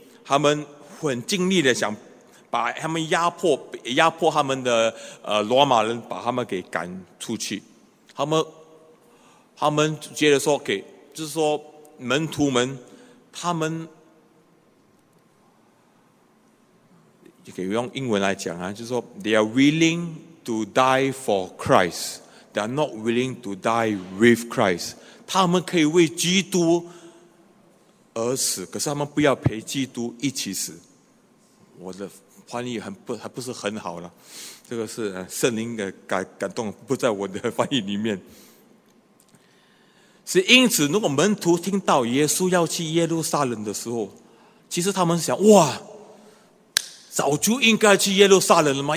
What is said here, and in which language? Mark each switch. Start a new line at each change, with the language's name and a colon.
Chinese: 他们很尽力的想把他们压迫他们的罗马人，把他们给赶出去。他们觉得说，给就是说门徒们，他们可以用英文来讲啊，就是说
English: they are willing。 To die for Christ, they are not willing to die with Christ.
Chinese: 他们可以为基督而死，可是他们不要陪基督一起死。我的翻译还不是很好了，这个是圣灵的感动，不在我的翻译里面。是因此，如果门徒听到耶稣要去耶路撒冷的时候，其实他们想，哇，早就应该去耶路撒冷了吗？